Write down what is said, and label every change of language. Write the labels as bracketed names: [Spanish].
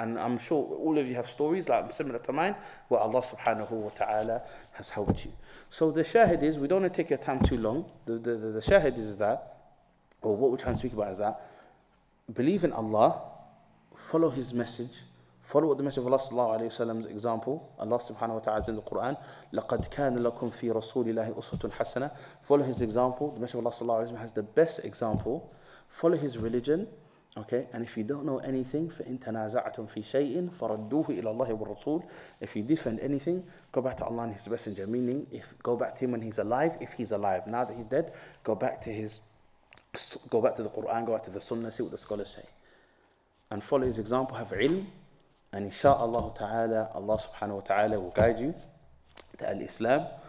[English] And I'm sure all of you have stories like similar to mine, where Allah subhanahu wa ta'ala has helped you. So the shahid is, we don't want to take your time too long, the shahid is that, or what we're trying to speak about is that, believe in Allah, follow His message, follow the message of Allah sallallahu alayhi wa sallam's example. Allah subhanahu wa ta'ala in the Quran, [Arabic] لَقَدْ كَانَ لَكُمْ فِي رَسُولِ اللَّهِ أُسْوَةٌ حَسَنَةٌ. [English] Follow His example. The message of Allah sallallahu alayhi wa sallam has the best example. Follow His religion. Okay, and if you don't know anything, [Arabic] فَإِنْ تَنَازَعْتُمْ فِي شَيْءٍ فَرَدُّوهُ إِلَى اللَّهِ وَالرَّسُولِ. [English] If you defend anything, go back to Allah and His messenger. Meaning, go back to Him when He's alive, if He's alive. Now that He's dead, go back to the Quran, go back to the Sunnah, see what the scholars say. And follow His example, have ilm, and insha'Allah ta'ala, Allah subhanahu wa ta'ala will guide you to al-Islam.